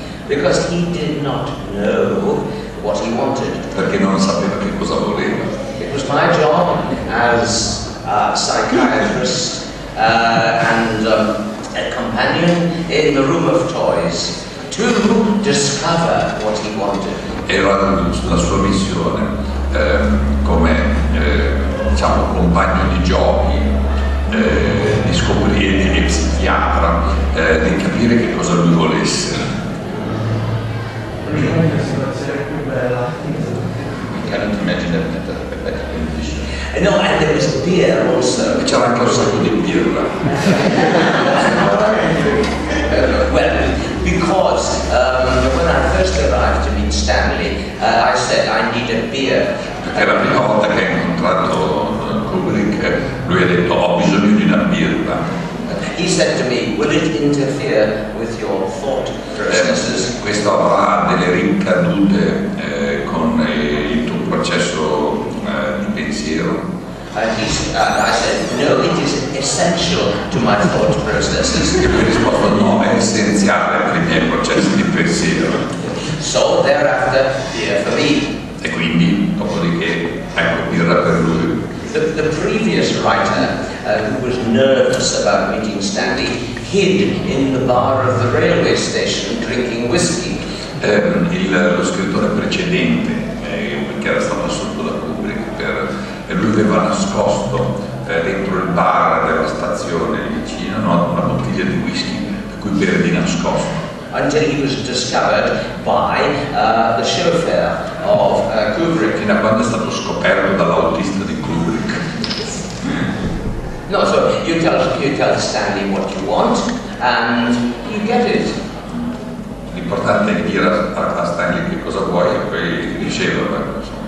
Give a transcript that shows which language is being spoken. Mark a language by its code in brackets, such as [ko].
[en] Because he did not know what he wanted. [it] Perché non sapeva che cosa voleva. [en] It was my job as a psychiatrist and a companion in the room of toys to discover what he wanted. [it] Era la sua missione come diciamo compagno di giochi, di scoprire di psichiatra, di capire che cosa lui volesse. [en] I can't imagine a better English. No, and there was beer also. [it] C'era anche un sacco di birra. [en] Well, because when I first arrived to meet Stanley, I said I need a beer. [it] Perché la prima volta che ha incontrato Kubrick, lui ha detto ho bisogno di una birra. [en] He said to me, will it interfere with your thought processes? [it] Questo avrà delle ricadute con il tuo processo di pensiero. [en] I said, no, it is essential to my thought processes. [it] E lui risposto, no, è essenziale per i miei processi di pensiero. [en] So thereafter, beer for me. [it] E quindi, dopodiché, ecco, birra per lui. [en] The previous writer, who was nervous about meeting Stanley, hid in the bar of the railway station drinking whiskey. [it] Lo scrittore precedente, perché era stato assunto da Kubrick, lui aveva nascosto dentro il bar della stazione vicino, no, una bottiglia di whisky, da cui bere di nascosto. [en] Until he was discovered by the chauffeur of Kubrick. [it] Fino a quando è stato scoperto dall'autista di Kubrick. [en] No, so you tell Stanley what you want and you get it. [it] L'importante è dire a Stanley che cosa vuoi e poi riceverlo.